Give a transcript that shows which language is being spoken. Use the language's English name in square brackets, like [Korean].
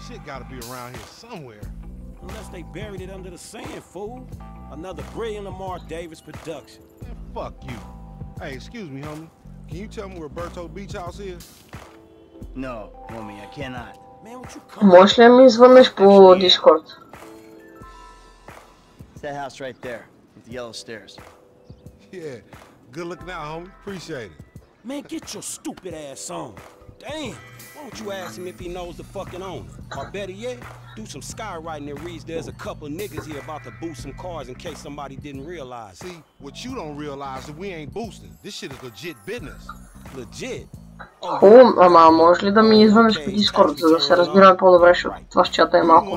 [English] Shit gotta be around here somewhere. Unless they buried it under the sand, fool. Another brilliant Lamar Davis production. Man, fuck you. Hey, excuse me, homie. Can you tell me where Berto Beach House is? No, homie, I cannot. [Russian] Можешь ли мне звонить по Discord? [English] It's that house right there, with the yellow stairs. Yeah, good looking out, homie. Appreciate it. Man, get your stupid ass on. Damn, why don't you ask him if he knows the fucking owner? Or better yet, do some skywriting and reads there's a couple niggas here about to boost some cars in case somebody didn't realize. See, what you don't realize is we ain't boosting. This shit is legit business. Legit? [Bulgarian] Ху, ама можеш ли да ми извънеш по Дискорд, за да се разбираме по-добре, защото това с чата е малко